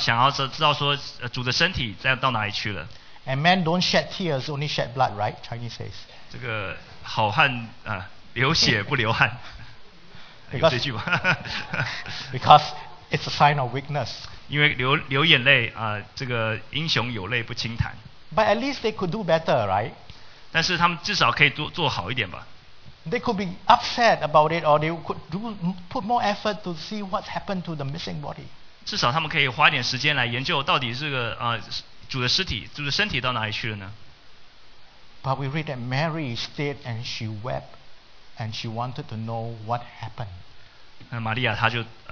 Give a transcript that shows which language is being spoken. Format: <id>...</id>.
<zh>玛利亚在那边，她痛哭，她想要知道说主的身体在到哪里去了。</zh> <en>And men don't shed tears, only shed blood, right? Chinese says.</en> <zh>这个好汉流血不流汗。有这句吗？</zh> <en>Because it's a sign of weakness.</en> <zh>因为流眼泪，这个英雄有泪不轻弹。</zh> <en>But at least they could do better, right?</en> <zh>但是他们至少可以做好一点吧。</zh> <en>They could be upset about it, or they could put more effort to see what's happened to the missing body.</en> <zh>至少他们可以花点时间来研究到底这个主的身体到哪里去了呢？</zh> <en>But we read that Mary stayed and she wept, and she wanted to know what happened.</en>